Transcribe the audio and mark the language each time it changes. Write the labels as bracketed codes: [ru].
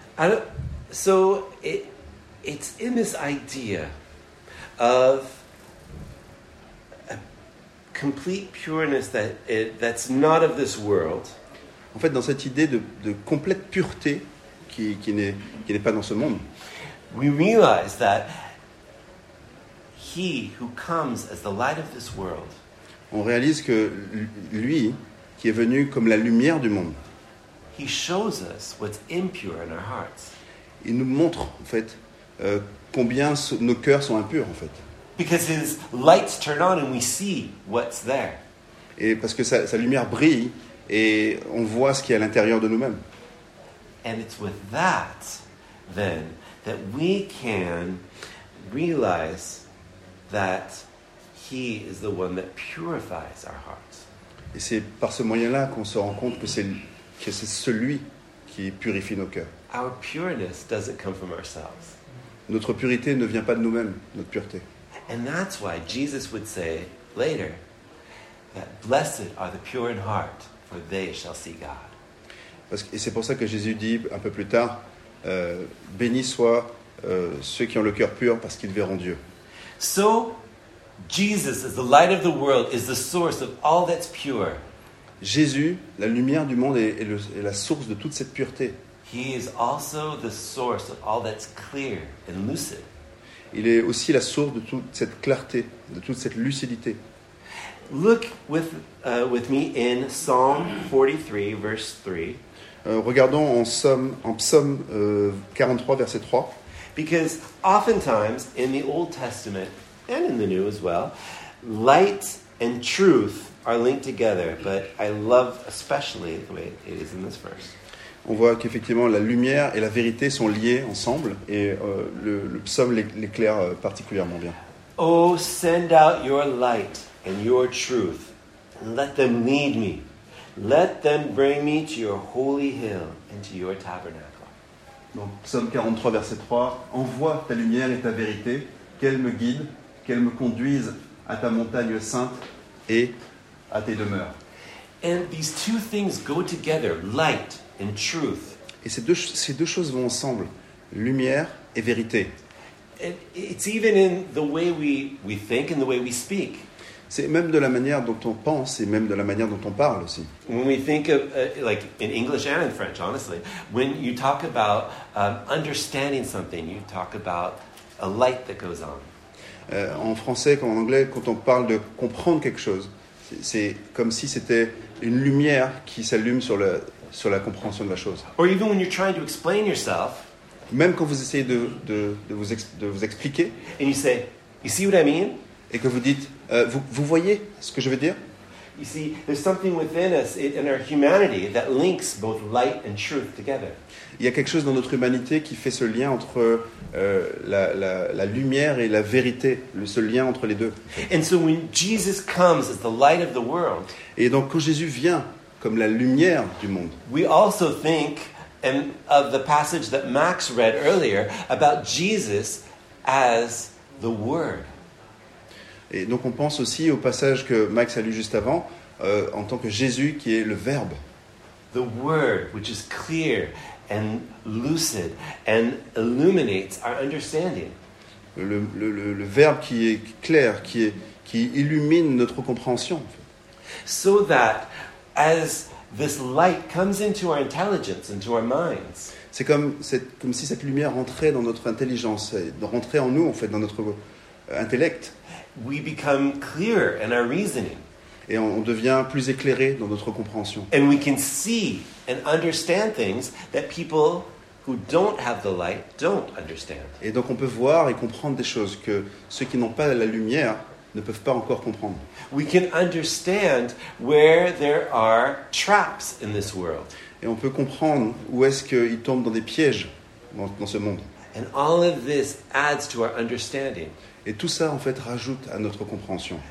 [en] Alors, so, it's in this idea of complete pureness that's not of this world. [fr] En fait, dans cette idée de complète pureté qui n'est pas dans ce monde. [en] We realize that he who comes as the light of this world. [fr] On réalise que lui qui est venu comme la lumière du monde. [en] He shows us what's impure in our hearts. [fr] Il nous montre en fait combien nos cœurs sont impurs en fait. [en] Because his lights turn on and we see what's there. [fr] Et parce que sa lumière brille et on voit ce qui est à l'intérieur de nous-mêmes. [en] And it's with that, then, that we can realize that he is the one that purifies our hearts. [fr] Et c'est par ce moyen-là qu'on se rend compte que c'est celui qui purifie nos cœurs. [en] Our pureness doesn't come from ourselves. [fr] Notre pureté ne vient pas de nous-mêmes, notre pureté. [en] And that's why Jesus would say later that blessed are the pure in heart, for they shall see God. [fr] Et c'est pour ça que Jésus dit un peu plus tard, bénis soient ceux qui ont le cœur pur parce qu'ils verront Dieu. [en] So Jesus is the light of the world, is the source of all that's pure. [fr] Jésus, la lumière du monde, est la source de toute cette pureté. [en] He is also the source of all that's clear and lucid. [fr] Il est aussi la source de toute cette clarté, de toute cette lucidité. [en] Look with me in Psalm 43, verse 3. [fr] Regardons en psaume 43, verset 3. [en] Because oftentimes in the Old Testament and in the New as well, light and truth are linked together, but I love especially the way it is in this verse. [fr] On voit qu'effectivement la lumière et la vérité sont liées ensemble et le psaume l'éclaire particulièrement bien. [en] Oh, send out your light and your truth. Let them lead me. Let them bring me to your holy hill and to your tabernacle. [fr] Donc, psaume 43, verset 3. Envoie ta lumière et ta vérité, qu'elles me guident, qu'elles me conduisent à ta montagne sainte et à tes demeures. [en] And these two things go together, light and truth. [fr] Et ces deux choses vont ensemble, lumière et vérité. [en] And it's even in the way we think and the way we speak. [fr] C'est même de la manière dont on pense et même de la manière dont on parle aussi. [en] When we think of, like in English and in French, honestly, when you talk about understanding something, you talk about a light that goes on. [fr] En français comme en anglais, quand on parle de comprendre quelque chose, c'est comme si c'était une lumière qui s'allume sur la compréhension de la chose. [en] Or even when you're trying to explain yourself, [fr] même quand vous essayez de vous expliquer, [en] and you say, you see what I mean? [fr] Et que vous dites, vous voyez ce que je veux dire? [en] You see, there's something within us, in our humanity, that links both light and truth together. [fr] Il y a quelque chose dans notre humanité qui fait ce lien entre la lumière et la vérité, ce lien entre les deux. [en] And so when Jesus comes as the light of the world, [fr] et donc quand Jésus vient comme la lumière du monde, [en] we also think of the passage that Max read earlier about Jesus as the Word. [fr] Et donc on pense aussi au passage que Max a lu juste avant, en tant que Jésus qui est le Verbe. [en] The Word, which is clear and lucid and illuminates our understanding. [fr] Le Verbe qui est clair, qui illumine notre compréhension. [en] So that as this light comes into our intelligence, into our minds. [fr] C'est comme si cette lumière rentrait dans notre intelligence, rentrait en nous en fait, dans notre intellect. [en] We become clearer in our reasoning. [fr] Et on devient plus éclairé dans notre compréhension. [en] And we can see and understand things that people who don't have the light don't understand. [fr] Et donc on peut voir et comprendre des choses que ceux qui n'ont pas la lumière ne peuvent pas encore comprendre. [en] We can understand where there are traps in this world. [fr] Et on peut comprendre où est-ce qu'ils tombent dans des pièges dans ce monde. [en] And all of this adds to our understanding. [fr] Et tout ça, en fait, rajoute à notre compréhension.